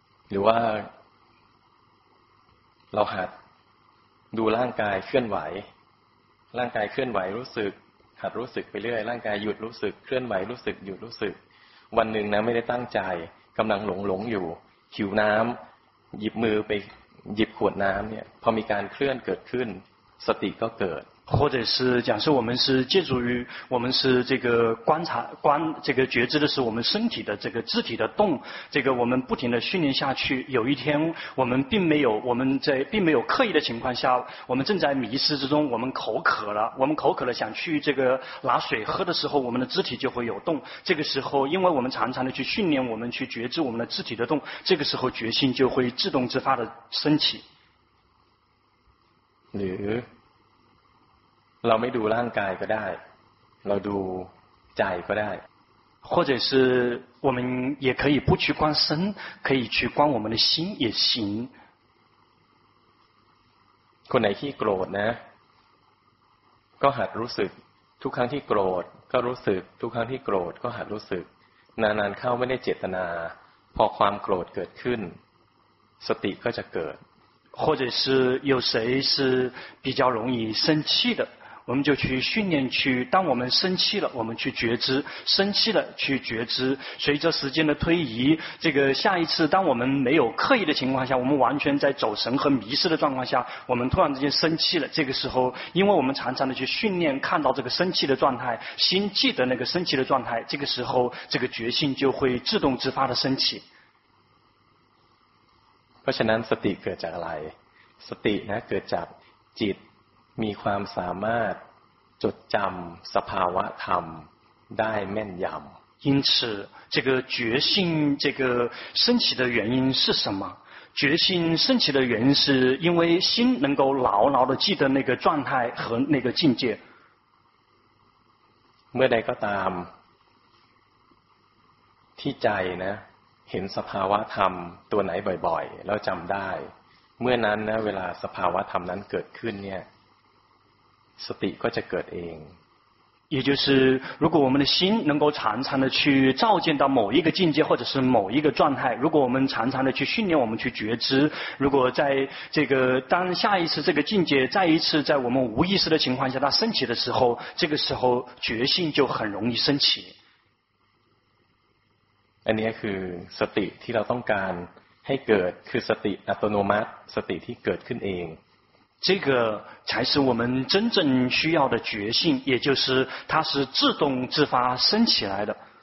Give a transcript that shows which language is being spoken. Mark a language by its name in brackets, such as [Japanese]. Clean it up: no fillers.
[Thai] หรือว่าเราหัดดูร่างกายเคลื่อนไหวร่างกายเคลื่อนไหวรู้สึกหัดรู้สึกไปเรื่อยร่างกายหยุดรู้สึกเคลื่อนไหวรู้สึกหยุดรู้สึกวันหนึ่งนะไม่ได้ตั้งใจกำลังหลงอยู่หิวน้ำหยิบมือไปหยิบขวดน้ำเนี่ยพอมีการเคลื่อนเกิดขึ้นสติก็เกิด [Chinese] 或者是假设我们是借助于我们是这个观察观这个觉知的是我们身体的这个肢体的动这个我们不停的训练下去有一天我们并没有我们在并没有刻意的情况下我们正在迷失之中我们口渴了我们口渴了想去这个拿水喝的时候我们的肢体就会有动这个时候因为我们常常的去训练我们去觉知我们的肢体的动这个时候决心就会自动自发的升起你 [Thai] เราไม่ดูร่างกายก็ได้เราดูใจก็ได้ [Chinese] 或者是我们也可以不去观身可以去观我们的心也行 [Thai] คนไหนที่โกรธนะก็หัดรู้สึกทุกครั้งที่โกรธก็รู้สึกทุกครั้งที่โกรธก็หัดรู้สึกนานๆเข้าไม่ได้เจตนาพอความโกรธเกิดขึ้นสติก็จะเกิด [Chinese] 或者是有谁是比较容易生气的我们就去训练去当我们生气了我们去觉知生气了去觉知随着时间的推移这个下一次当我们没有刻意的情况下我们完全在走神和迷失的状况下我们突然之间生气了这个时候因为我们常常的去训练看到这个生气的状态心记得那个生气的状态这个时候这个觉性就会自动自发的升起 [Thai] เพราะฉะนั้นสติเกิดจากอะไรสตินะเกิดจากจิตมีความสามารถจดจำสภาวะธรรมได้แม่นยำ [Chinese] 因此这个觉性这个升起的原因是什么觉性升起的原因是因为心能够牢牢的记得那个状态和那个境界 [Thai] เมื่อใดก็ตามที่ใจนะเห็นสภาวะธรรมตัวไหนบ่อยๆแล้วจำได้เมื่อนั้นนะเวลาสภาวะธรรมนั้นเกิดขึ้นเนี่ยสติก็จะเกิดเอง [Chinese] 也就是如果我们的心能够常常的去照见到某一个境界或者是某一个状态如果我们常常的去训练我们去觉知如果在这个当下一次这个境界再一次在我们无意识的情况下它升起的时候这个时候觉性就很容易升起 [Thai] อันนี้คือสติที่เราต้องการให้เกิดคือสติอัตโนมัติสติที่เกิดขึ้นเอง [Chinese] 这个才是我们真正需要的觉性，也就是它是自动自发升起来的。